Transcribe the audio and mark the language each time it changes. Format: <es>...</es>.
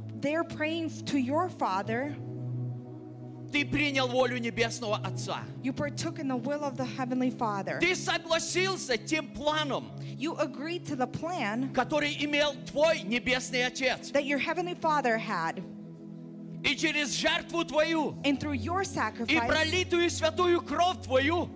<en>They're praying to your father.</en> <ru>Ты принял волю небесного отца.</ru> <en>You partook in the will of the heavenly father.</en> <ru>Ты согласился тем планом.</ru> <en>You agreed to the plan.</en> <ru>Который имел твой небесный отец.</ru> <en>That your heavenly father had.</en> <ru>И через жертву твою.</ru> <en>And through your sacrifice.</en> <ru>И пролитую святую кровь твою.</ru>